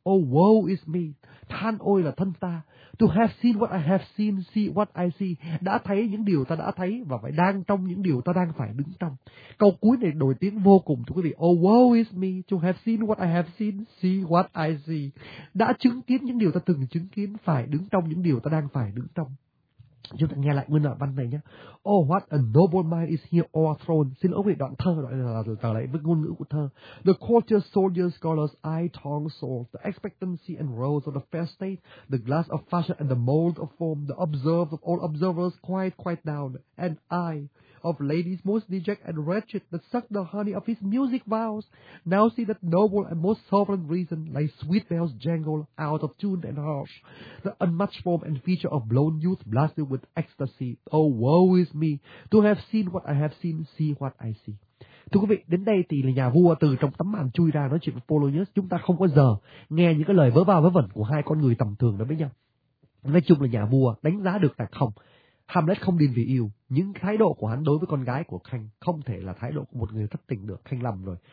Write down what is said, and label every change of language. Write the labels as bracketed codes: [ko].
[en] Oh woe is me, [vi] than ôi là thân ta, [en] to have seen what I have seen, see what I see, [vi] đã thấy những điều ta đã thấy và phải đang trong những điều ta đang phải đứng trong. Câu cuối này nổi tiếng vô cùng thưa quý vị. [en] Oh woe is me, to have seen what I have seen, see what I see, [vi] đã chứng kiến những điều ta từng chứng kiến, phải đứng trong những điều ta đang phải đứng trong. Chúng ta nghe lại nguyên đoạn văn này nhé. [en] Oh, what a noble mind is here all throne. [vi] Xin lỗi về đoạn thơ, đoạn này là trở lại với ngôn ngữ của thơ. [en] The courtier soldier scholar's eye tongue sword, the expectancy and rose of the fair state, the glass of fashion and the mold of form, the observed of all observers quiet down, and I of ladies most dejected and wretched, that suck the honey of his music vows, now see that noble and most sovereign reason, like sweet bells jangle out of tune and harsh, the unmatched form and feature of blown youth blasted with ecstasy. Oh woe is me, to have seen what I have seen, see what I see. [vi] Thưa quý vị, đến đây thì là nhà vua từ trong tấm màn chui ra nói chuyện với Polonius. Chúng ta không có giờ nghe những cái lời vớ va vớ vẩn của hai con người tầm thường đó với nhau. Nói chung là nhà vua đánh giá được là không, Hamlet không điên vì yêu. Những thái độ của hắn đối với con gái của Khanh không thể là thái độ của một người thất tình được. Khanh lầm rồi.